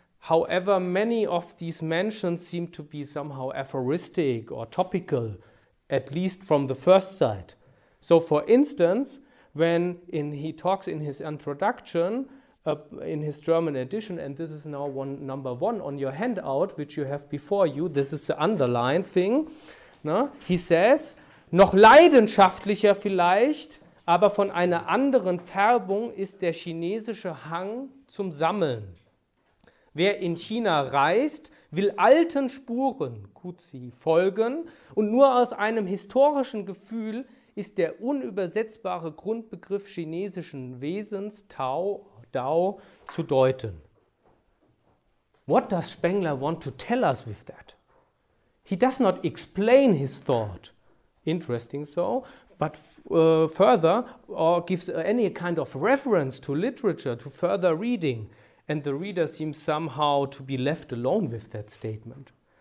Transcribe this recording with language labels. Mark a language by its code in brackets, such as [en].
[en] However, many of these mentions seem to be somehow aphoristic or topical, at least from the first sight. So for instance, when he talks in his introduction, in his German edition, and this is now one number one on your handout, which you have before you, this is the underlined thing, no? He says, [de] noch leidenschaftlicher vielleicht, aber von einer anderen Färbung ist der chinesische Hang zum Sammeln. Wer in China reist, will alten Spuren, Kuzi, folgen und nur aus einem historischen Gefühl ist der unübersetzbare Grundbegriff chinesischen Wesens, Tao, Dao, zu deuten. [en] What does Spengler want to tell us with that? He does not explain his thought, interesting though, but further, or gives any kind of reference to literature, to further reading, and the reader seems somehow to be left alone with that statement.